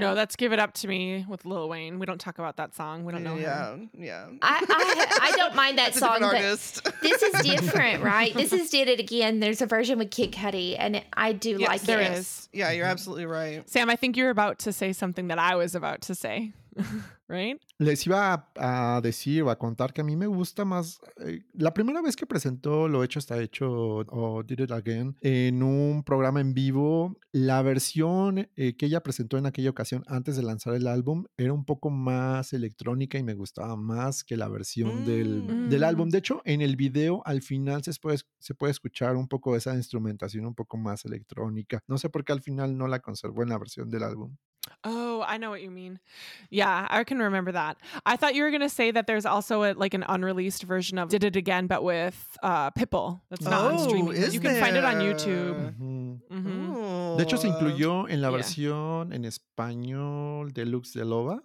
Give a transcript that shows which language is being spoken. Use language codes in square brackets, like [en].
[en] No, that's Give It Up to Me with Lil Wayne. We don't talk about that song. We don't know yeah, him. Yeah. I don't mind that that's song, a different artist. But this is different, right? This is Did It Again. There's a version with Kid Cudi, and I do yes, like there it. There is. Yeah, you're absolutely right. Sam, I think you're about to say something that I was about to say. right? [es] Les iba a decir o a contar que a mí me gusta más. La primera vez que presentó Lo Hecho Está Hecho o Did It Again en un programa en vivo, la versión que ella presentó en aquella ocasión antes de lanzar el álbum era un poco más electrónica y me gustaba más que la versión del álbum. De hecho, en el video al final se puede escuchar un poco esa instrumentación un poco más electrónica. No sé por qué al final no la conservó en la versión del álbum. [en] Oh, I know what you mean. Yeah, I can remember that. I thought you were going to say that there's also an unreleased version of Did It Again, but with Pitbull. That's not on streaming. Find it on YouTube. Mm-hmm. Mm-hmm. [es] De hecho, se incluyó en la versión en español deluxe de Loba.